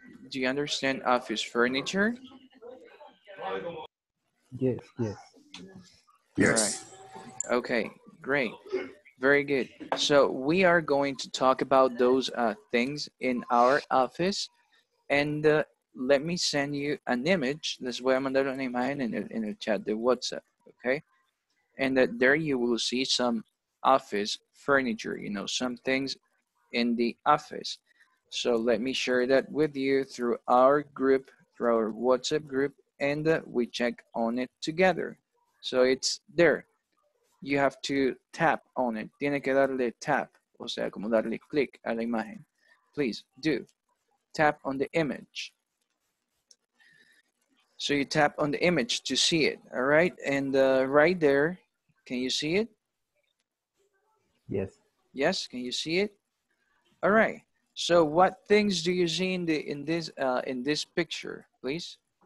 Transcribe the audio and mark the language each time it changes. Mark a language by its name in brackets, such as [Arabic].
[English] Do you understand office furniture? Yes. Right. Okay, great. Very good. So we are going to talk about those things in our office. And let me send you an image. [Spanish] Les voy a mandar una imagen en el chat de WhatsApp, okay? [English] And there you will see some office furniture, you know, some things in the office. So let me share that with you through our group, through our WhatsApp group, and we check on it together. So it's there. You have to tap on it. [Spanish] Tiene que darle tap, o sea, como darle click a la imagen. [English] Please do. Tap on the image. So you tap on the image to see it, all right? And right there, can you see it? Yes. Yes, can you see it? All right. So what things do you see in this picture, please?